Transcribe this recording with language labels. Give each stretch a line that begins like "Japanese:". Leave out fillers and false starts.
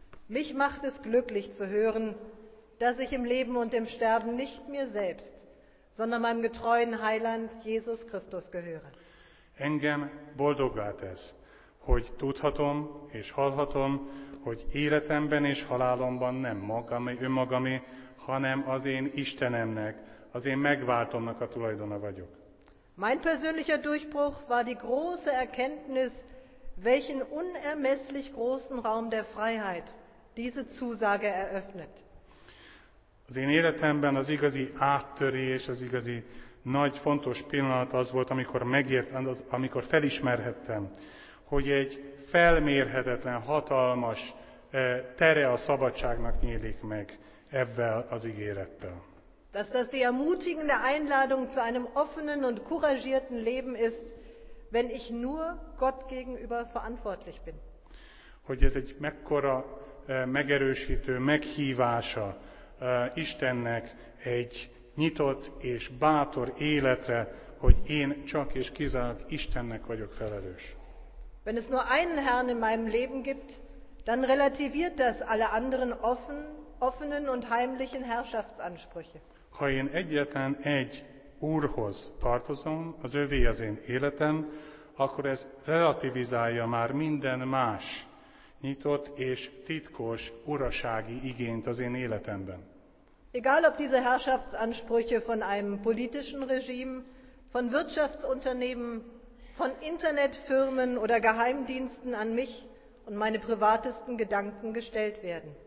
German: Mich macht es glücklich zu hören, dass ich im Leben und im Sterben nicht mir selbst, sondern meinem getreuen Heiland Jesus Christus gehöre.
Hungarian: Engem boldoggá tesz, hogy tudhatom és hallhatom, hogy életemben és halálomban nem magamé, önmagamé, hanem az én Istenemnek, az én megváltomnak a tulajdona vagyok.
German: Mein persönlicher Durchbruch war die große Erkenntnis, welchen unermesslich großen Raum der Freiheit diese Zusage eröffnet.
Hungarian: Az én életemben az igazi áttörés, az igazi nagy, fontos pillanat az volt, amikor megértem, amikor felismerhettem, hogy egy felmérhetetlen, hatalmas tere a szabadságnak nyílik meg ezzel az ígérettel.
German: dass das die ermutigende Einladung zu einem offenen und couragierten Leben ist, wenn ich nur Gott gegenüber verantwortlich bin.
Hungarian: Hogy ez egy mekkora megerősítő meghívása Istennek egy nyitott és bátor életre, hogy én csak és kizárólag Istennek vagyok felelős.
German: Wenn es nur einen Herrn in meinem Leben gibt, dann relativiert das alle anderen offenen und heimlichen Herrschaftsansprüche.
Hungarian: Ha én egyetlen egy Úrhoz tartozom, az övé az én életem, akkor ez relativizálja már minden más nyitott és titkos urasági igényt az én életemben.
German: Egal ob diese Herrschaftsansprüche von einem politischen Regime, von Wirtschaftsunternehmen, von Internetfirmen oder Geheimdiensten an mich und meine privatesten Gedanken gestellt werden.